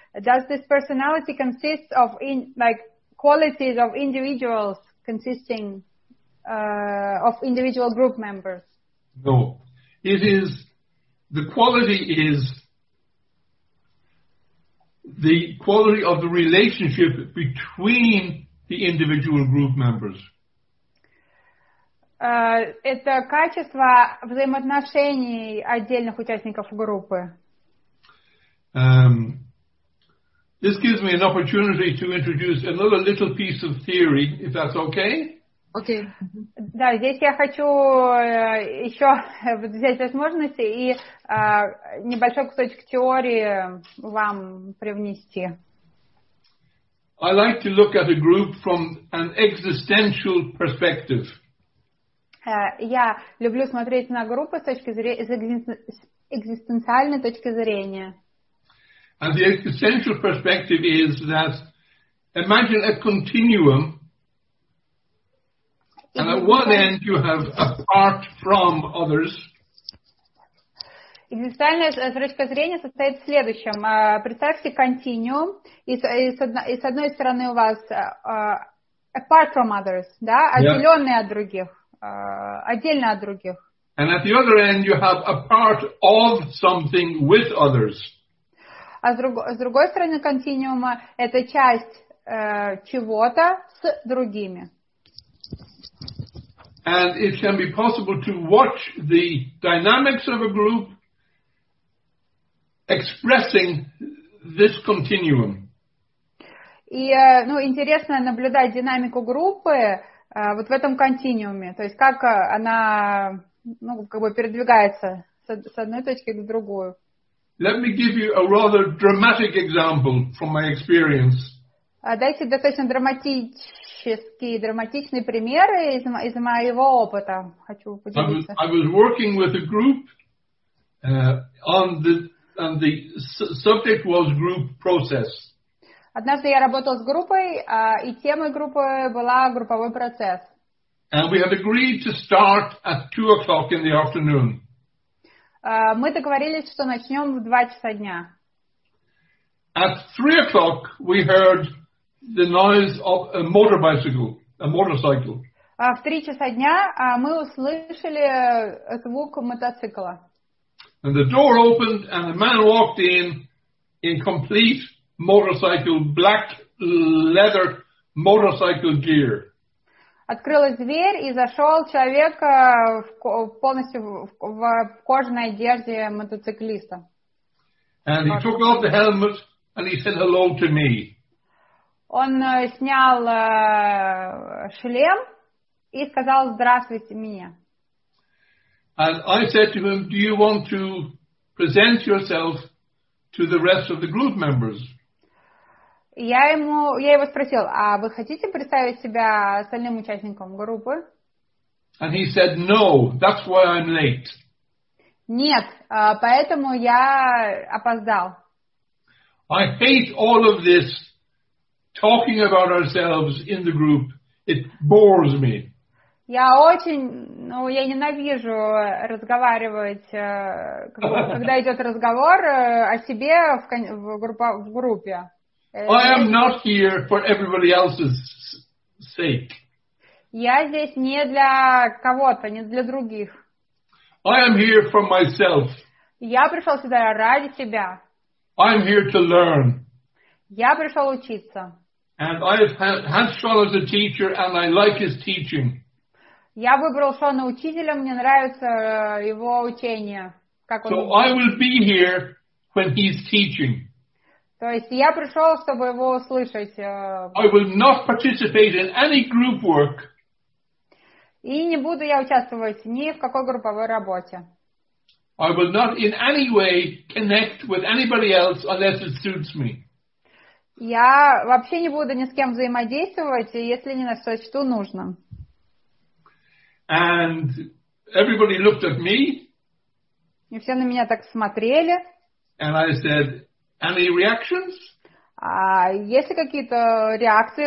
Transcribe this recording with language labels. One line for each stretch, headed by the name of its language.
English: Does this personality consist of qualities of individuals consisting of individual group members? No, the quality of the relationship between the individual group members.
Russian: Это качество взаимоотношений отдельных участников группы.
English: This gives me an opportunity to introduce another little piece of theory, if that's okay. Okay.
Russian: Да, здесь я хочу еще взять возможности и небольшой кусочек теории вам привнести.
English: I like to look at a group from an existential perspective.
Russian: Я люблю смотреть на группы с точки зрения экзистенциальной точки зрения.
English: And the existential perspective is that imagine a continuum, and at one end you have apart from others.
Russian: Экзистенциальная точка зрения состоит в следующем. Представьте континуум, и с одной стороны у вас
English: apart from others,
Russian: да, отделенные от других. Отдельно от других.
English: And at the other end you have a part of something with others.
Russian: А с другой стороны континуума это часть чего-то с другими.
English: And it can be possible to watch the dynamics of a group expressing this continuum.
Russian: И интересно наблюдать динамику группы вот в этом континууме, то есть как она, передвигается с одной точки к другую.
English: Let me give you a rather dramatic example from my experience.
Russian: Дайте достаточно драматичный пример из моего опыта. Хочу поделиться.
English: I was working with a group on the subject was group process.
Russian: Однажды я работал с группой, и темой группы была групповой процесс.
English: And we had agreed to start at 2:00 in the afternoon.
Russian: Мы договорились, что начнем в 2:00 дня.
English: At 3:00 we heard the noise of a motorcycle.
Russian: В 3:00 дня мы услышали звук мотоцикла.
English: And the door opened and a man walked in complete motorcycle, black leather motorcycle gear.
Russian: Открылась дверь, и зашел человек полностью в кожаной одежде мотоциклиста.
English: And he took off the helmet and he said hello to me.
Russian: Он снял шлем и сказал здравствуйте мне.
English: And I said to him, do you want to present yourself to the rest of the group members?
Russian: Я его спросил, а вы хотите представить себя остальным участникам группы?
English: And he said, no, that's why I'm late.
Russian: Нет, поэтому я опоздал.
English: I hate all of this talking about ourselves in the group. It bores me.
Russian: Я ненавижу разговаривать, когда идет разговор о себе в группе.
English: I am not here for everybody else's sake.
Russian: Я здесь не для кого-то, не для других.
English: I am here for myself.
Russian: Я пришел сюда ради себя.
English: I'm here to learn.
Russian: Я пришел учиться.
English: And I have had Sean as a teacher, and I like his teaching.
Russian: Я выбрал Шона учителя, мне нравится его учение. Как
English: so
Russian: он...
English: I will be here when he's teaching.
Russian: То есть я пришел, чтобы его услышать.
English: I will not participate in any group work.
Russian: И не буду я участвовать ни в какой групповой работе.
English: I will not in any way connect with anybody else unless it suits me.
Russian: Я вообще не буду ни с кем взаимодействовать, если не сочту нужным.
English: And everybody looked at me.
Russian: И все на меня так смотрели.
English: And I said, any reactions?
Russian: А есть ли какие-то реакции?